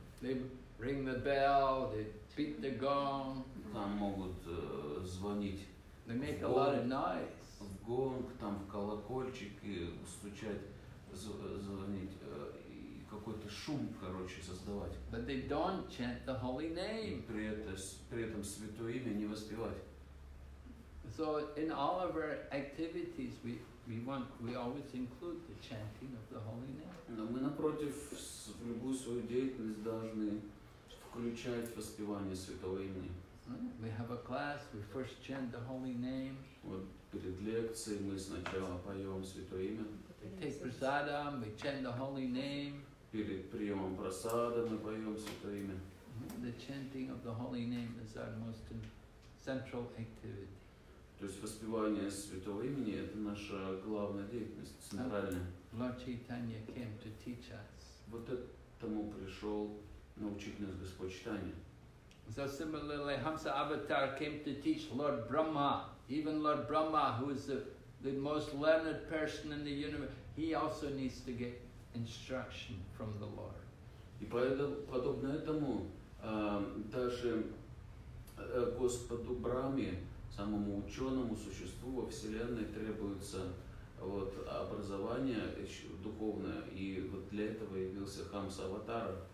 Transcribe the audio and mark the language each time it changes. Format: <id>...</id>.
<en>they ring the bell, they beat the gong,</en> <ru>там могут звонить,</ru> <en>they make a lot of noise,</en> <ru>в гонг, там в колокольчик и стучать звонить, какой-то шум, короче, создавать.</ru> <en>But they don't chant the holy name.</en> <ru>И при этом святое имя не воспевать.</ru> <en>So in all of our activities, we always include the chanting of the holy name.</en> <ru>Но мы напротив в любую свою деятельность должны включать воспевание святого имени.</ru> <en>We have a class. We first chant the holy name.</en> <ru>Вот перед лекцией мы сначала поем святое имя.</ru> <en>We take prasadam. We chant the holy name.</en> <ru>Перед приемом прасада мы поем святое имя.</ru> <en>The chanting of the holy name is our most central activity.</en> <ru>То есть воспевание святого имени – это наша главная деятельность, центральная.</ru> <en>Lord Chaitanya came to teach us.</en> <ru>Вот этому пришел научить нас Господь Чайтанья.</ru> <en>So similarly, Hamsa Avatar came to teach Lord Brahma. Even Lord Brahma, who is the most learned person in the universe, he also needs to get instruction from the Lord.</en> <ru>И подобно этому, даже Господу Брахме, самому ученому существу во Вселенной требуется вот образование духовное, и вот для этого явился Хамса Аватара.</ru>